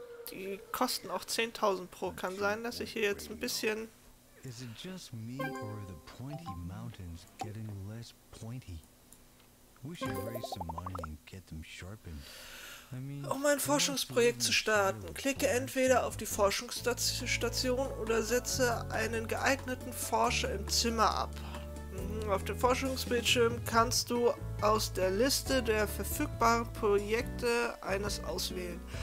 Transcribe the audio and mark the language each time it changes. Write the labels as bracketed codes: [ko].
[de] Die kosten auch 10.000 pro. Kann sein, dass ich hier jetzt ein bisschen. [en] Is it just me or are the pointy mountains getting less pointy? We should raise some money and get them sharpened. I mean, [de] um ein Forschungsprojekt zu starten, klicke entweder auf die Forschungsstation oder setze einen geeigneten Forscher im Zimmer ab. Auf dem Forschungsbildschirm kannst du aus der Liste der verfügbaren Projekte eines auswählen.